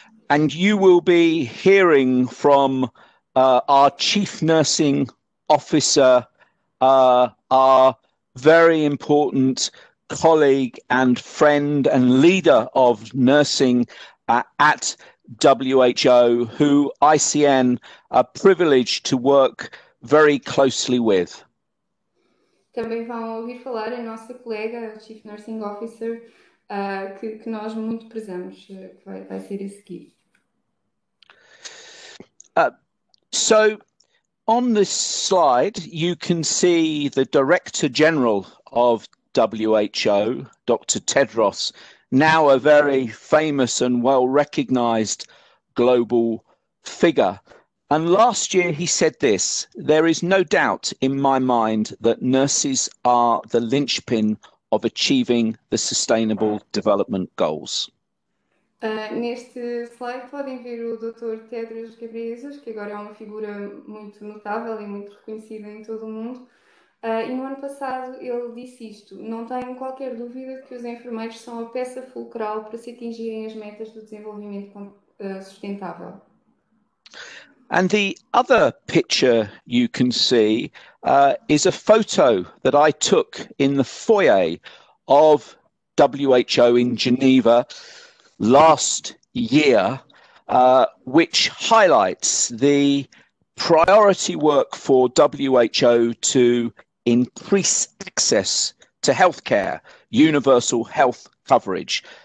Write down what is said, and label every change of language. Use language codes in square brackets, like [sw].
[en] And you will be hearing from our chief nursing officer, our very important colleague and friend and leader of nursing at WHO, who ICN are privileged to work very closely with. [pt] Também vão ouvir falar a nossa colega, a Chief Nursing Officer, que nós muito prezamos, que vai ser a seguir. [en] So, on this slide, you can see the Director General of WHO, Dr. Tedros, now a very famous and well-recognized global figure. And last year he said this: there is no doubt in my mind that nurses are the linchpin of achieving the Sustainable Development Goals. [pt] Neste slide podem ver o Dr. Tedros Ghebreyesus, que agora é uma figura muito notável e muito reconhecida em todo o mundo. E no ano passado ele disse isto: não tenho qualquer dúvida que os enfermeiros são a peça fulcral para se atingirem as metas do desenvolvimento sustentável. [en] And the other picture you can see is a photo that I took in the foyer of WHO in Geneva last year, which highlights the priority work for WHO to increase access to healthcare, universal health coverage,